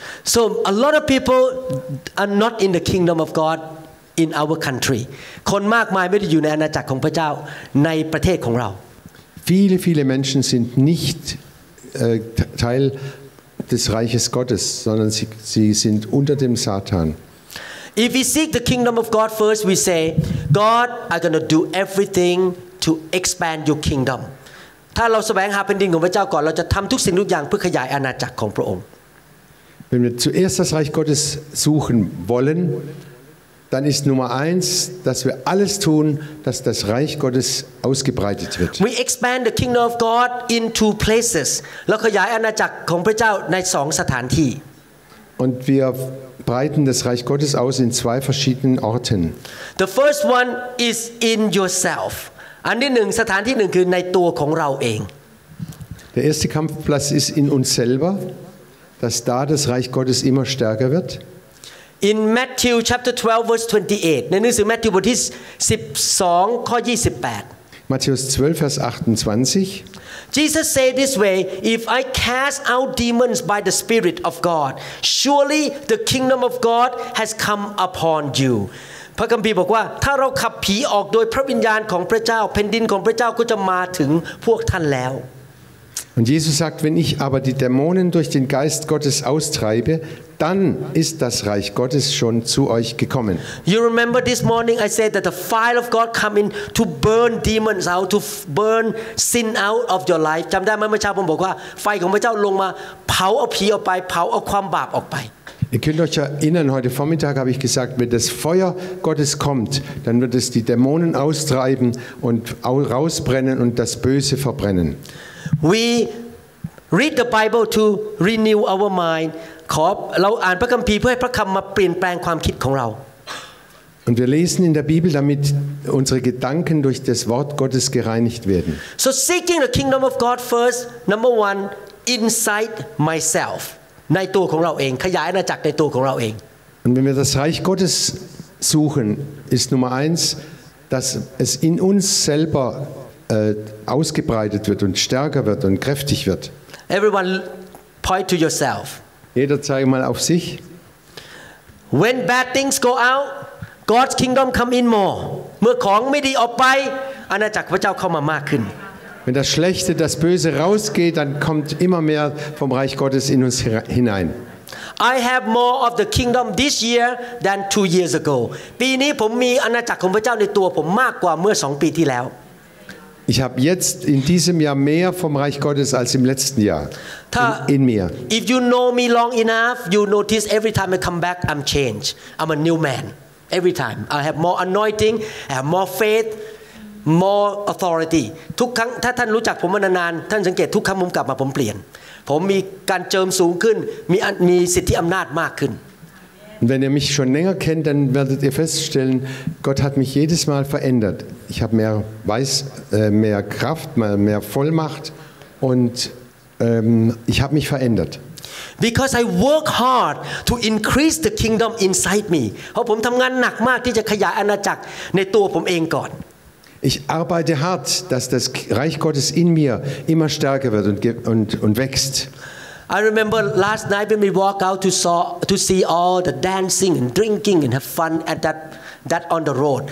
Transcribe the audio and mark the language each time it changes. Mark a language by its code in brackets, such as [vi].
[en] So a lot of people are not in the kingdom of God in our country. [th] คนมากมายไม่ได้อยู่ในอาณาจักรของพระเจ้าในประเทศของเรา [de] Viele, viele Menschen sind nicht Teil. Des Reiches Gottes, sondern sie sind unter dem Satan. [en] If we seek the kingdom of God first, we say, God, I'm going to do everything to expand your kingdom. [th] ถ้าเราแสวงหาแผ่นดินของพระเจ้าก่อนเราจะทำทุกสิ่งทุกอย่างเพื่อขยายอาณาจักรของพระองค์ [de] Wenn wir zuerst das Reich Gottes suchen wollen, dann ist Nummer eins, dass wir alles tun, dass das Reich Gottes ausgebreitet wird. [en] We expand the kingdom of God in two places. [th] แล้วขยายอาณาจักรของพระเจ้าในสองสถานที่ [de] Und wir breiten das Reich Gottes aus in zwei verschiedenen Orten. [en] The first one is in yourself. [th] อันที่หนึ่งสถานที่หนึ่งคือในตัวของเราเอง [de] Der erste Kampfplatz ist in uns selber, dass da das Reich Gottes immer stärker wird. [en] In Matthew chapter 12 verse 28. [th] ในหนังสือมัทธิวบทที่12ข้อ28 [de] Matthäus 12 vers 28 [en] Jesus said this way, if I cast out demons by the spirit of God, surely the kingdom of God has come upon you. [th] พระคัมภีร์บอกว่าถ้าเราขับผีออกโดยพระวิญญาณของพระเจ้าแผ่นดินของพระเจ้าก็จะมาถึงพวกท่านแล้ว [de] Und Jesus sagt, wenn ich aber die Dämonen durch den Geist Gottes austreibe, dann ist das Reich Gottes schon zu euch gekommen. [en] You remember this morning I said that the fire of God come in to burn demons out, to burn sin out of your life. [th] จำได้ไหมเมื่อเช้าผมบอกว่าไฟของพระเจ้าลงมาเผาเอาผีออกไปเผาเอาความบาปออกไป [de] Ir könnt euch erinnern, heute Vormittag habe ich gesagt, wenn das Feuer Gottes kommt, dann wird es die Dämonen austreiben und rausbrennen und das Böse verbrennen. [en] We read the Bible to renew our mind. [th] เราอ่านพระคัมภีร์เพื่อให้พระคำมาเปลี่ยนแปลงความคิดของเรา [de] Und wir lesen in der Bibel, damit unsere Gedanken durch das Wort Gottes gereinigt werden. [en] So seeking the kingdom of God first, number one, inside myself. [th] ในตัวของเราเองขยายอาณาจักรในตัวของเราเอง [de] Und wenn wir das Reich Gottes suchen ist Nummer eins dass es in uns selber ausgebreitet wird und stärker wird und kräftig wird [en] Everyone point to yourself [de] Jeder zeige mal auf sich [en] When bad things go out God's kingdom come in more [th] เมื่อของไม่ดีออกไปอาณาจักรพระเจ้าเข้ามามากขึ้น [de] Wenn das Schlechte, das Böse rausgeht, dann kommt immer mehr vom Reich Gottes in uns hinein. [en] I have more of the kingdom this year than 2 years ago. [th] ปีนี้ผมมีอาณาจักรของพระเจ้าในตัวผมมากกว่าเมื่อ2ปีที่แล้ว [de] Ich habe jetzt in diesem Jahr mehr vom Reich Gottes als im letzten Jahr in mir. [en] If you know me long enough, you notice every time I come back, I'm changed. I'm a new man. Every time I have more anointing, I have more faith. More authority. [th] ทุกครั้งถ้าท่านรู้จักผมมานานๆท่านสังเกตทุกครั้งผมกลับมาผมเปลี่ยนผมมีการเจิมสูงขึ้นมีสิทธิอำนาจมากขึ้น [de] Wenn ihr mich schon länger kennt, dann werdet ihr feststellen, Gott hat mich jedes Mal verändert. Ich habe mehr Kraft, mehr Vollmacht und ich habe mich verändert. [en] Because I work hard to increase the kingdom inside me. [th] เพราะผมทำงานหนักมากที่จะขยายอาณาจักรในตัวผมเองก่อน [de] Ich arbeite hart, dass das Reich Gottes in mir immer stärker wird und wächst. [en] I remember last night when we walked out to see all the dancing and drinking and have fun at that on the road.